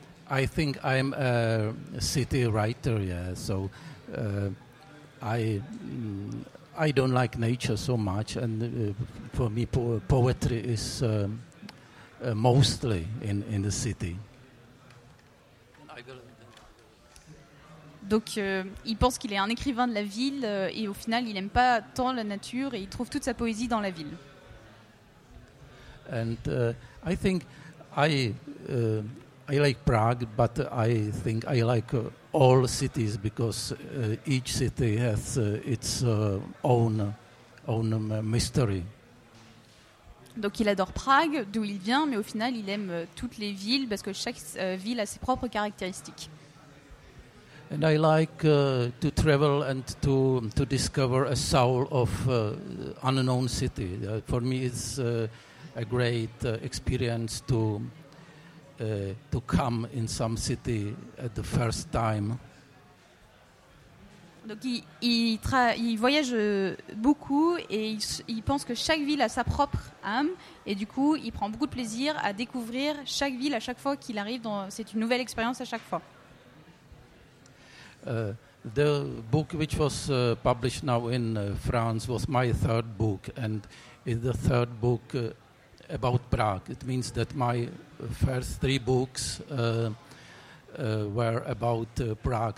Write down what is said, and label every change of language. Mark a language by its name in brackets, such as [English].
[English] I think I'm a city writer, so I don't like nature so much, and for me poetry is mostly in the city. [French] Donc il pense qu'il est un écrivain de la ville et au final il n'aime pas tant la nature et il trouve toute sa poésie dans la ville. [English] And I think I like Prague, but I think I like all cities because each city has its own mystery. [French] Donc il adore Prague, d'où il vient, mais au final il aime toutes les villes parce que chaque ville a ses propres caractéristiques. [English] And I like to travel and to discover a soul of unknown city. For me, it's a great experience to come in some city at the first time. [French] Donc il voyage beaucoup et il pense que chaque ville a sa propre âme et du coup il prend beaucoup de plaisir à découvrir chaque ville à chaque fois qu'il arrive. C'est une nouvelle expérience à chaque fois. [English] The book which was published now in France was my third book, and it's the third book about Prague. It means that my first three books were about Prague.